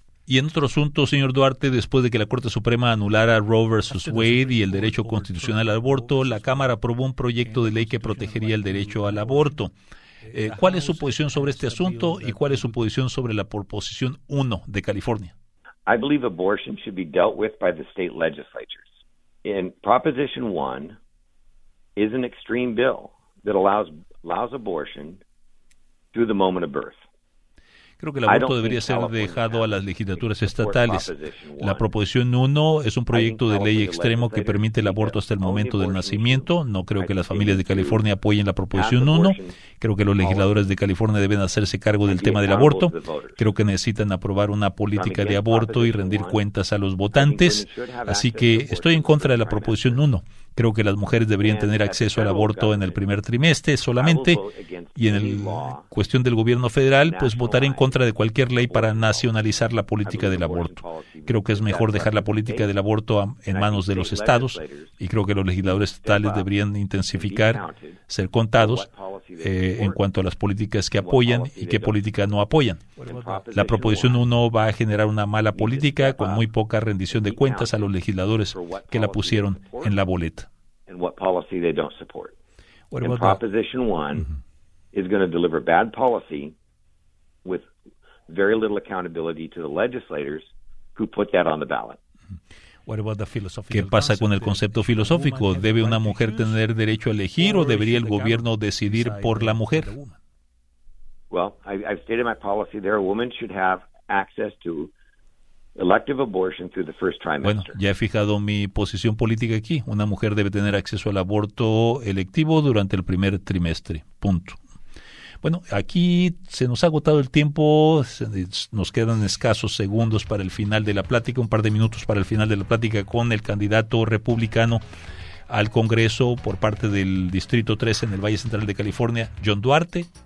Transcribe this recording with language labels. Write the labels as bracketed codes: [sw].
[es] Y en otro asunto, señor Duarte, después de que la Corte Suprema anulara Roe v. Wade y el derecho constitucional al aborto, la Cámara aprobó un proyecto de ley que protegería el derecho al aborto. ¿Cuál es su posición sobre este asunto y cuál es su posición sobre la Proposición 1 de California? [en] I believe abortion should be dealt with by the state legislatures. In Proposition 1 is an extreme bill that allows abortion through the moment of birth. [es] Creo que el aborto debería ser dejado a las legislaturas estatales. La Proposición 1 es un proyecto de ley extremo que permite el aborto hasta el momento del nacimiento. No creo que las familias de California apoyen la Proposición 1. Creo que los legisladores de California deben hacerse cargo del tema del aborto. Creo que necesitan aprobar una política de aborto y rendir cuentas a los votantes. Así que estoy en contra de la Proposición 1. Creo que las mujeres deberían tener acceso al aborto en el primer trimestre solamente, y en la cuestión del gobierno federal, pues votaré en contra de cualquier ley para nacionalizar la política del aborto. Creo que es mejor dejar la política del aborto en manos de los estados, y creo que los legisladores estatales deberían intensificar, ser contados en cuanto a las políticas que apoyan y qué políticas no apoyan. La Proposición 1 va a generar una mala política con muy poca rendición de cuentas a los legisladores que la pusieron en la boleta. [en] And what policy they don't support. What about Proposition 1 is going to deliver bad policy with very little accountability to the legislators who put that on the ballot. What about the philosophical? [es] ¿Qué pasa con el concepto filosófico? ¿Debe una mujer tener derecho a elegir o debería el gobierno decidir por la mujer? [en] Well, I've stated my policy there. A woman should have access to elective abortion through the first trimester. [es] Bueno, ya he fijado mi posición política aquí. Una mujer debe tener acceso al aborto electivo durante el primer trimestre. Punto. Bueno, aquí se nos ha agotado el tiempo. Nos quedan escasos segundos para el final de la plática, un par de minutos para el final de la plática con el candidato republicano al Congreso por parte del Distrito 13 en el Valle Central de California, John Duarte.